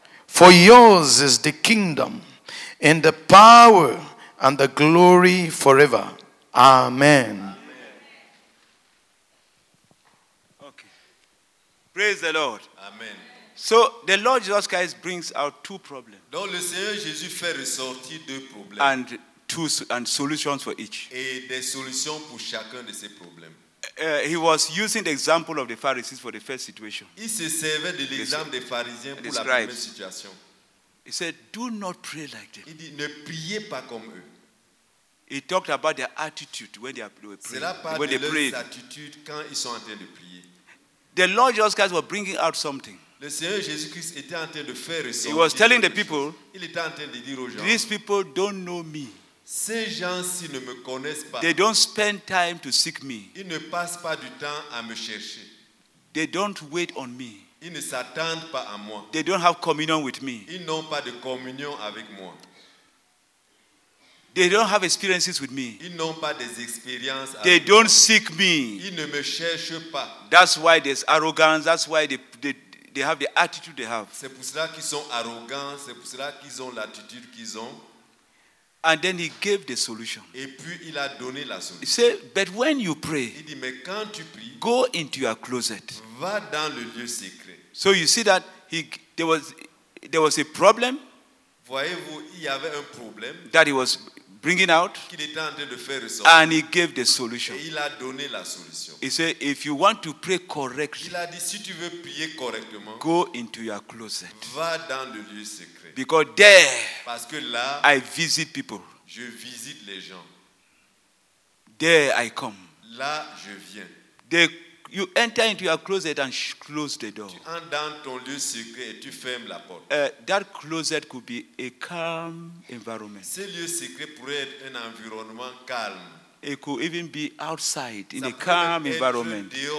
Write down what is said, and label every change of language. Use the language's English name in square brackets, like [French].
[English] For yours is the kingdom and the power and the glory forever. Amen. Okay. Praise the Lord. Amen. So the Lord Jesus Christ brings out two problems. [French] Donc le Seigneur Jésus fait ressortir deux problèmes. [English] And two and solutions for each. [French] Et des solutions pour chacun de ces problèmes. [English] He was using the example of the Pharisees for the first situation. [French] Il se servait de l'exemple des pharisiens pour la première situation. [English] He said, "Do not pray like them." [French] Il dit, ne priez pas comme eux. [English] He talked about their attitude when they were praying. [French] Cela parle de leur attitude quand ils sont en train de prier. [English] The Lord Jesus Christ was bringing out something. [French] Le Seigneur Jésus-Christ était en train de faire ressortir. [English] He was telling the people. [French] Il était en train de dire aux gens. [English] These people don't know me. [French] Ces gens-ci ne me connaissent pas. [English] They don't spend time to seek me. [French] Ils ne passent pas du temps à me chercher. [English] They don't wait on me. [French] Ils ne s'attendent pas à moi. [English] They don't have communion with me. [French] Ils n'ont pas de communion avec moi. [English] They don't have experiences with me. [French] Ils n'ont pas des expériences avec moi. [English] They don't seek me. [French] Ils ne me cherchent pas. [English] That's why there's arrogance. That's why they have the attitude they have. [French] C'est pour cela qu'ils sont arrogants. C'est pour cela qu'ils ont l'attitude qu'ils ont. [English] And then he gave the solution. [French] Et puis il a donné la solution. [English] He said, "But when you pray, [French] il dit, mais quand tu pries, [English] go into your closet." [French] Va dans le lieu secret. [English] So you see that there was a problem. [French] Voyez-vous, il y avait un problème [English] that he was bringing out. [French] Qu'il était en train de faire ressortir. [English] And he gave the solution. [French] Et il a donné la solution. [English] He said, "If you want to pray correctly, [French] il a dit, si tu veux prier correctement, [English] go into your closet." [French] Va dans le lieu secret. [English] Because there, [French] parce que là, [English] I visit people. [French] Je visite les gens. [English] There I come. [French] Là, je viens. [English] You enter into your closet and close the door. [French] Tu entres dans ton lieu secret et tu fermes la porte. [English] That closet could be a calm environment. [French] Ce lieu secret pourrait être un environnement calme. [English] It could even be outside in a calm environment.